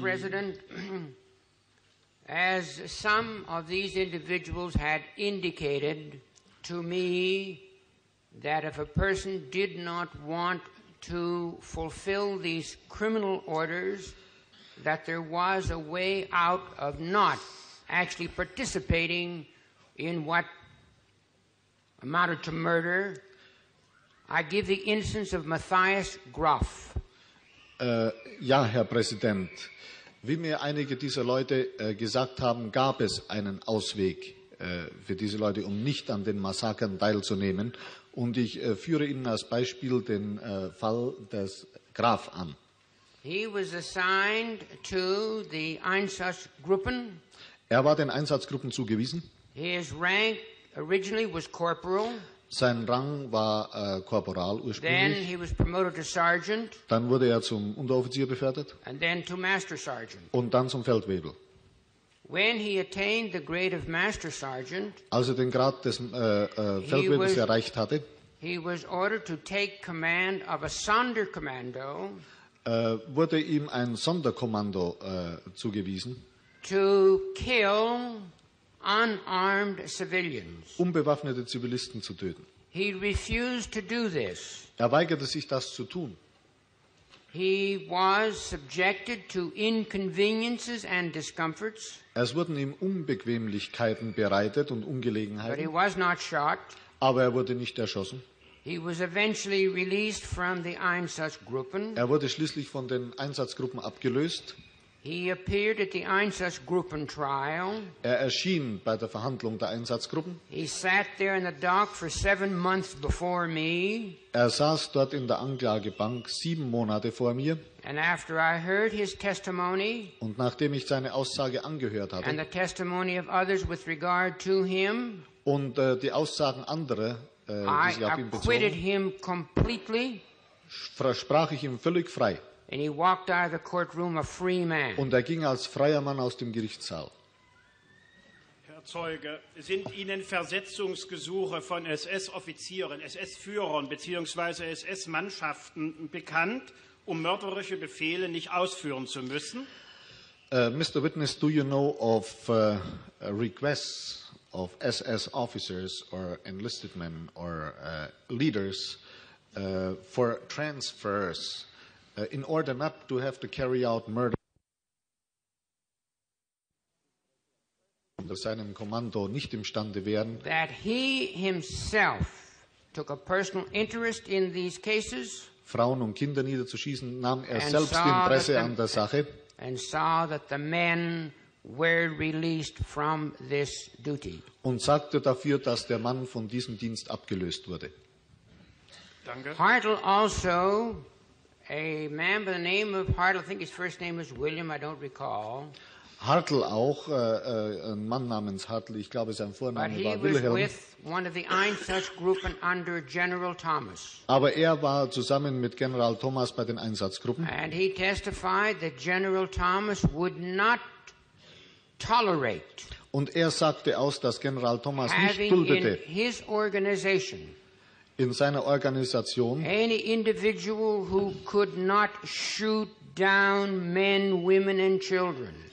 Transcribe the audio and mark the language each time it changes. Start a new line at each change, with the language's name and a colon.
English: President, as some of these individuals had indicated to me that if a person did not want to fulfill these criminal orders, that there was a way out of not actually participating in what amounted to murder, I give the instance of Matthias Groff.
German: Ja, Herr Präsident. Wie mir einige dieser Leute gesagt haben, gab es einen Ausweg für diese Leute, um nicht an den Massakern teilzunehmen. Und ich führe Ihnen als Beispiel den Fall des Graf an.
English: He was assigned to the Einsatzgruppen.
German: Er war den Einsatzgruppen zugewiesen.
English: His rank originally was corporal.
German: Sein Rang war Korporal ursprünglich.
English: Then he was promoted to Sergeant.
German: Dann wurde er zum Unteroffizier befördert.
English: And then to Master Sergeant.
German: Und dann zum Feldwebel.
English: When he attained the grade of Master Sergeant,
German: als er den Grad des Feldwebels erreicht hatte,
English: he was ordered to take command of a Sonderkommando,
German: wurde ihm ein Sonderkommando zugewiesen,
English: to kill unarmed civilians.
German: Unbewaffnete Zivilisten zu töten.
English: He refused to do this.
German: Er weigerte sich, das zu tun.
English: He was subjected to inconveniences and discomforts.
German: Es wurden ihm Unbequemlichkeiten bereitet und Ungelegenheiten.
English: But he was not shot.
German: Aber er wurde nicht erschossen.
English: He was eventually released from the Einsatzgruppen.
German: Er wurde schließlich von den Einsatzgruppen abgelöst.
English: He appeared at the Einsatzgruppen trial.
German: Er erschien bei der Verhandlung der Einsatzgruppen.
English: He sat there in the dock for 7 months before me.
German: Er saß dort in der Anklagebank 7 Monate vor mir.
English: And after I heard his testimony,
German: und nachdem ich seine Aussage angehört hatte,
English: and the testimony of others with regard to him,
German: und die Aussagen anderer, die sich auf ihn bezogen,
English: I acquitted him completely.
German: Sprach ich ihm völlig frei.
English: And he walked out of the courtroom a free man.
German: Und er ging als freier Mann aus dem Gerichtssaal. Herr Zeuge, sind Ihnen Versetzungsgesuche von SS-Offizieren, SS-Führern bzw. SS-Mannschaften bekannt, um mörderische Befehle nicht ausführen zu müssen?
English: Mr. Witness, do you know of requests of SS officers or enlisted men or leaders for transfers? In order not to have to carry out murder
German: unter seinem Kommando nicht imstande wären,
English: that he himself took a personal interest in these cases,
German: Frauen und Kinder niederzuschießen, nahm er selbst Interesse an der Sache,
English: and saw that the men were released from this duty,
German: und sagte dafür, dass der Mann von diesem Dienst abgelöst wurde. Danke.
English: Hartl also, a man by the name of Hartl, I think his first name was William, I don't recall.
German: Hartl auch, ein Mann namens Hartl, ich glaube, sein Vorname war Wilhelm.
English: But he was with one of the Einsatzgruppen under General Thomas.
German: Aber er war zusammen mit General Thomas bei den Einsatzgruppen.
English: And he testified that General Thomas would not tolerate.
German: Und er sagte aus, dass General Thomas nicht duldete.
English: Having in his organization.
German: In seiner Organisation
English: any individual who could not shoot down men, women and children.